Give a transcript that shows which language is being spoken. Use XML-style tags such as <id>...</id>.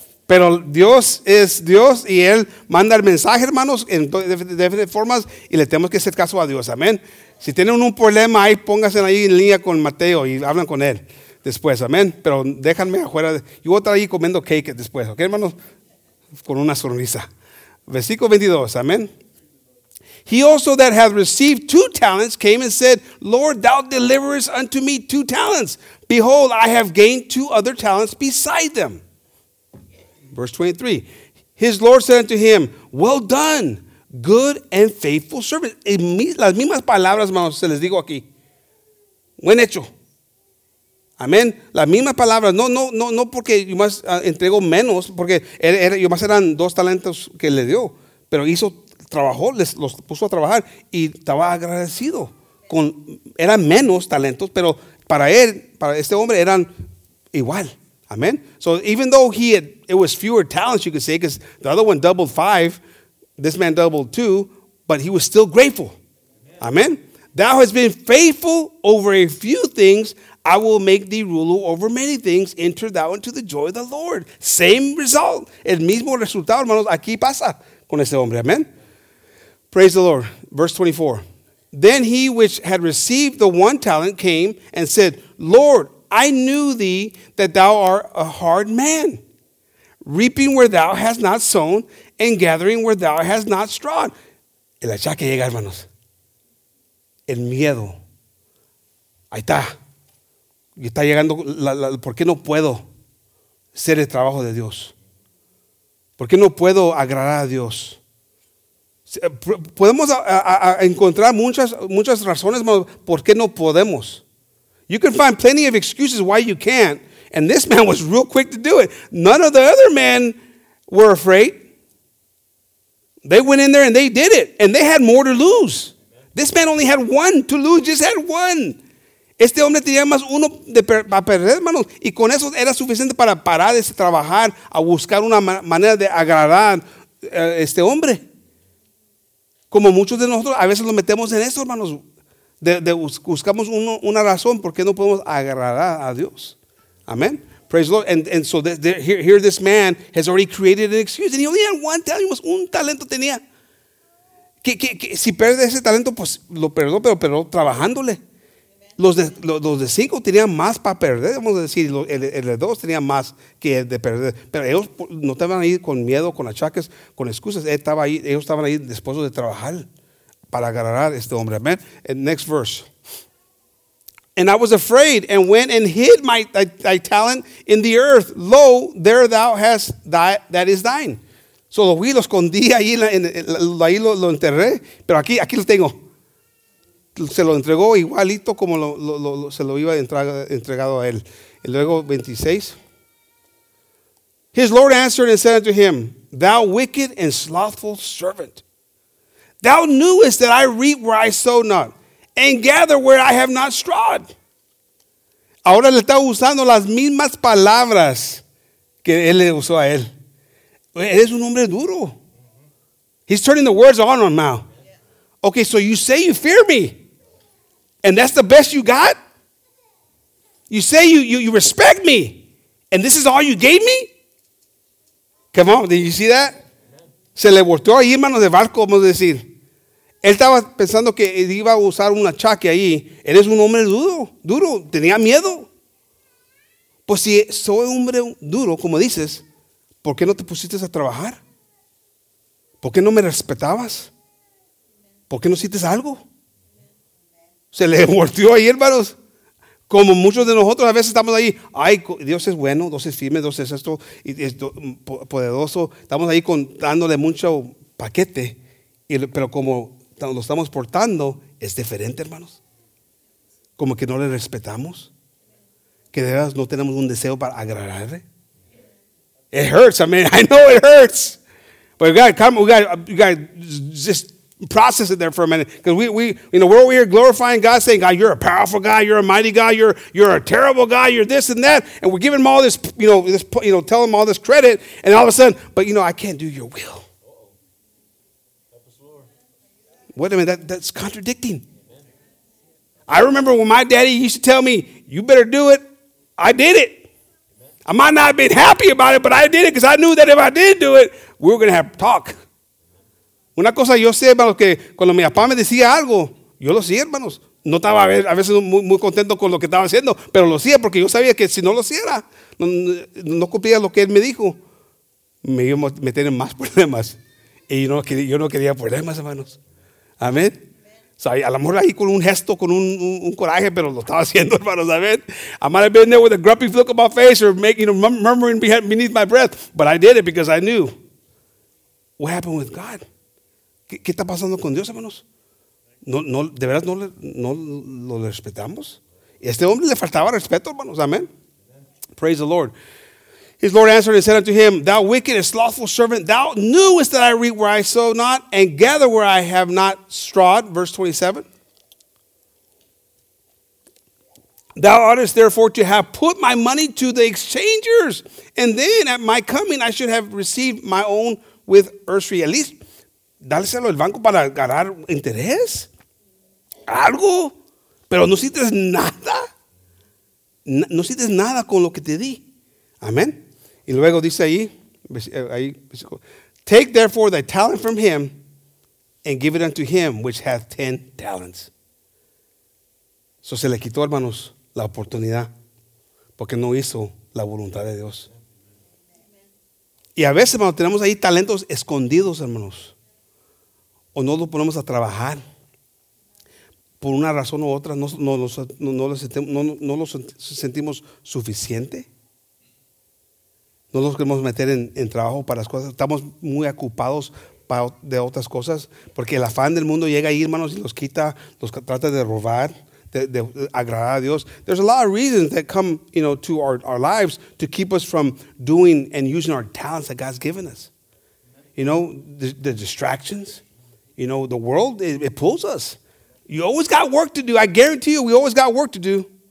<es>Pero Dios es Dios y Él manda el mensaje, hermanos, en diferentes formas y le tenemos que hacer caso a Dios. Amen. Si tienen un problema, ahí pónganse ahí en línea con Mateo y hablan con él después. Amén. Pero déjanme afuera. Yo voy a estar ahí comiendo cake después. ¿Ok, hermanos? Con una sonrisa. Versículo 22. Amén.</es> <en>He also that hath received 2 talents came and said, Lord, thou deliverest unto me 2 talents. Behold, I have gained 2 other talents beside them. Verse 23. His Lord said unto him, well done, good and faithful servant.</en> <es>Las mismas palabras, hermanos, se les digo aquí. Buen hecho. Amén. Las mismas palabras. No porque yo más entrego menos, porque yo más eran 2 talentos que le dio. Pero hizo, trabajó, los puso a trabajar y estaba agradecido. Eran menos talentos, pero para él, para este hombre, eran igual. Amén.</es> <en>So even though it was fewer talents, you could say, because the other one doubled 5, this man doubled 2, but he was still grateful. Amen. Thou hast been faithful over a few things. I will make thee ruler over many things. Enter thou into the joy of the Lord. Same result.</en> <es>El mismo resultado, hermanos. Aquí pasa con este hombre. Amen.</es> <en>Praise the Lord. Verse 24. Then he which had received the 1 talent came and said, Lord, I knew thee that thou art a hard man, reaping where thou hast not sown, and gathering where thou hast not strawn.</en> <es>El achaque llega, hermanos. El miedo. Ahí está. Y está llegando. ¿Por qué no puedo hacer el trabajo de Dios? ¿Por qué no puedo agradar a Dios? Podemos encontrar muchas razones, hermanos, por qué no podemos.</es> <en>You can find plenty of excuses why you can't. And this man was real quick to do it. None of the other men were afraid. They went in there and they did it. And they had more to lose. This man only had 1 to lose. Just had 1.</en> <es>Este hombre tenía más 1 para perder, hermanos. Y con eso era suficiente para parar de trabajar, a buscar una manera de agradar a este hombre. Como muchos de nosotros, a veces lo metemos en eso, hermanos. Buscamos una razón por qué no podemos agradar a Dios.</es> <en>Amen. Praise the Lord. And so here this man has already created an excuse. And he only had 1 talent.</en> <es>Un talento tenía. Que si pierde ese talento, pues lo perdió, pero trabajándole. Los de 5 tenían más para perder. Vamos a decir, el de 2 tenía más que el de perder. Pero ellos no estaban ahí con miedo, con achaques, con excusas. Ellos estaban ahí después de trabajar para agarrar a este hombre.</es> <en>Amen. And next verse. And I was afraid and went and hid thy talent in the earth. Lo, there thou hast that is thine.</en> <es>So lo vi, lo escondí ahí lo enterré. Pero aquí lo tengo. Se lo entregó igualito como se lo iba entregado a él. Y luego 26.</es> <en>His Lord answered and said unto him, thou wicked and slothful servant, thou knewest that I reap where I sow not, and gather where I have not strawed.</en> <es>Ahora le está usando las mismas palabras que él le usó a él. Eres un hombre duro.</es> <en>He's turning the words on him now. Okay, so you say you fear me, and that's the best you got? You say you respect me, and this is all you gave me? Come on, did you see that?</en> <es>Se le volteó ahí, hermano de barco, vamos a decir. Él estaba pensando que iba a usar un achaque ahí. Eres un hombre duro, tenía miedo. Pues si soy un hombre duro, como dices, ¿por qué no te pusiste a trabajar? ¿Por qué no me respetabas? ¿Por qué no hiciste algo? Se le volteó ahí, hermanos. Como muchos de nosotros a veces estamos ahí, ay, Dios es bueno, Dios es firme, Dios es esto, y es poderoso. Estamos ahí contándole mucho paquete, pero como lo estamos portando, es diferente, hermanos. Como que no le respetamos, que de verdad no tenemos un deseo para agradarle.</es> <en>It hurts, I mean, I know it hurts. But you got just process it there for a minute. Because we you know, we're over here glorifying God, saying, God, you're a powerful God, you're a mighty God, you're a terrible God, you're this and that. And we're giving him all this, telling him all this credit, and all of a sudden, but you know, I can't do your will. Wait a minute, that's contradicting. I remember when my daddy used to tell me, you better do it. I did it. I might not have been happy about it, but I did it because I knew that if I did do it, we were going to have talk.</en> <es>Una cosa yo sé, hermanos, que cuando mi papá me decía algo, yo lo hacía, hermanos. No estaba a veces muy, muy contento con lo que estaba haciendo, pero lo hacía porque yo sabía que si no lo hiciera, no cumplía lo que él me dijo, me iba a meter en más problemas. Y yo no quería problemas, hermanos. Amén. So, a lo mejor ahí con un gesto, con un coraje, pero lo estaba haciendo, hermanos. Amén.</es> <en>I might have been there with a grumpy look on my face or murmuring beneath my breath, but I did it because I knew. What happened with God?</en> <es>¿Qué está pasando con Dios, hermanos? No, ¿de verdad no lo respetamos? Y a este hombre le faltaba respeto, hermanos. Amén.</es> <en>Praise the Lord. His Lord answered and said unto him, thou wicked and slothful servant, thou knewest that I reap where I sow not and gather where I have not strawed. Verse 27. Thou oughtest therefore to have put my money to the exchangers, and then at my coming I should have received my own with usury. At least,</en> <es>dáleselo al banco para ganar interés. Algo. Pero no sientes nada. No sientes nada con lo que te di. Amén. Y luego dice ahí,</es> <en>take therefore thy talent from him and give it unto him which hath 10 talents.</en> <es>So se le quitó, hermanos, la oportunidad porque no hizo la voluntad de Dios. Y a veces, hermanos, tenemos ahí talentos escondidos, hermanos, o no los ponemos a trabajar por una razón u otra, no lo sentimos suficiente. No los queremos meter en trabajo para las cosas. Estamos muy ocupados de otras cosas. Porque el afán del mundo llega ahí, hermanos, y los quita, los trata de robar, de agradar a Dios.</es> <en>There's a lot of reasons that come, to our lives to keep us from doing and using our talents that God's given us. The distractions. The world, it pulls us. You always got work to do. I guarantee you, we always got work to do.</en>